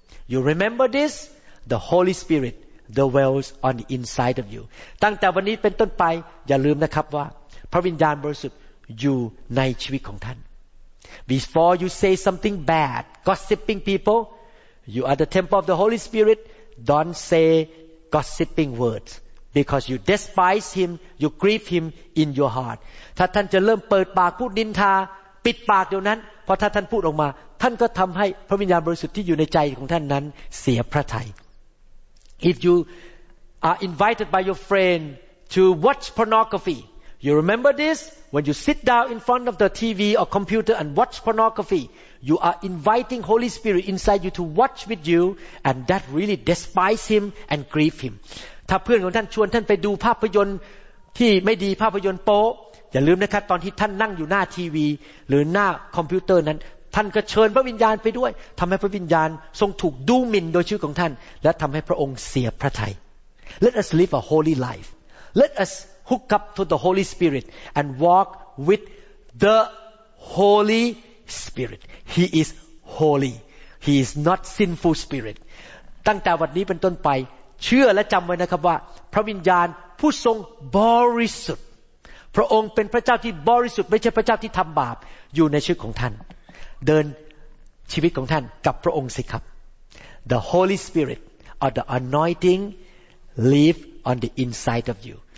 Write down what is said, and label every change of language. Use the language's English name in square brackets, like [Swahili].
[English] you remember this the Holy Spirit dwells on the inside of you [Thai] ตั้งแต่วันนี้เป็นต้นไปอย่าลืมนะครับว่าพระวิญญาณบริสุทธิ์อยู่ในชีวิตของท่าน [English] Before you say something bad, gossiping people, you are the temple of the Holy Spirit. Don't say gossiping words because you despise him, you grieve him in your heart. [Thai] ถ้าท่านจะเริ่มเปิดปากพูดนินทาปิดปากเดี๋ยวนั้นเพราะถ้าท่านพูดออกมาท่านก็ทำให้พระวิญญาณบริสุทธิ์ที่อยู่ในใจของท่านนั้นเสียพระทัย [English] If you are invited by your friend to watch pornography, you remember this? When you sit down in front of the TV or computer and watch pornography, you are inviting Holy Spirit inside you to watch with you, and that really despise him and grieve him. [Thai] ถ้าเพื่อนของท่านชวนท่านไปดูภาพยนตร์ที่ไม่ดีภาพยนตร์โป๊อย่าลืมนะครับตอนที่ท่านนั่งอยู่หน้าทีวีหรือหน้าคอมพิวเตอร์นั้นท่านก็เชิญพระวิญญาณไปด้วยทำให้พระวิญญาณทรงถูกดูหมิ่นโดยชื่อของท่านและทำให้พระองค์เสียพระทัย [English] Let us live a holy life. Let usHook up to the Holy Spirit and walk with the Holy Spirit. He is holy. He is not sinful spirit. [Thai] ตั้งแต่วันนี้เป็นต้นไปเชื่อและจำไว้นะครับว่าพระวิญญาณผู้ทรงบริสุทธิ์พระองค์เป็นพระเจ้าที่บริสุทธิ์ไม่ใช่พระเจ้าที่ทำบาปอยู่ในชีวิตของท่านเดินชีวิตของท่านกับพระองค์สิครับ [English] The Holy Spirit or the anointing live on the inside of you.